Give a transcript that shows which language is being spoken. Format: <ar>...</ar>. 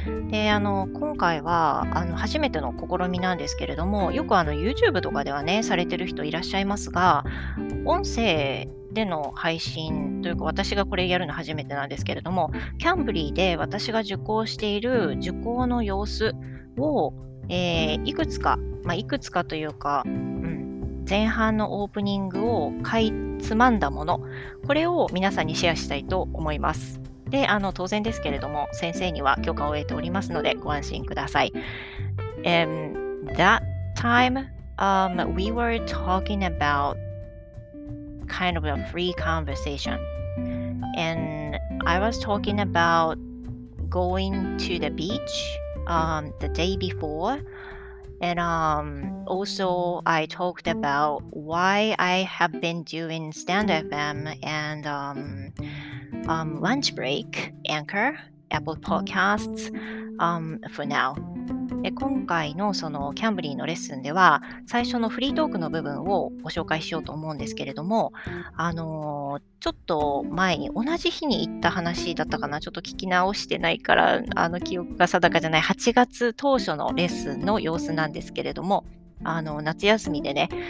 <ja>で、今回は初めての試みなんですけれども、よく YouTube とかではね、されてる人いらっしゃいますが、音声での配信というか、私がこれやるの初めてなんですけれども、キャンブリーで私が受講している受講の様子を、いくつか、まあ、いくつかというか、前半のオープニングをかいつまんだもの、これを皆さんにシェアしたいと思います。で、当然ですけれども、先生には許可を得ておりますのでご安心ください。</ja> <en>That time we were talking aboutkind of a free conversation, and I was talking about going to the beach the day before, and also I talked about why I have been doing Stand FM and Lunch Break Anchor Apple Podcasts for now.</en> <ja>で、今回のそのキャンブリーのレッスンでは、最初のフリートークの部分をご紹介しようと思うんですけれども、ちょっと前に同じ日に行った話だったかな、ちょっと聞き直してないから、記憶が定かじゃない、8月当初のレッスンの様子なんですけれども、夏休みでね、</ja>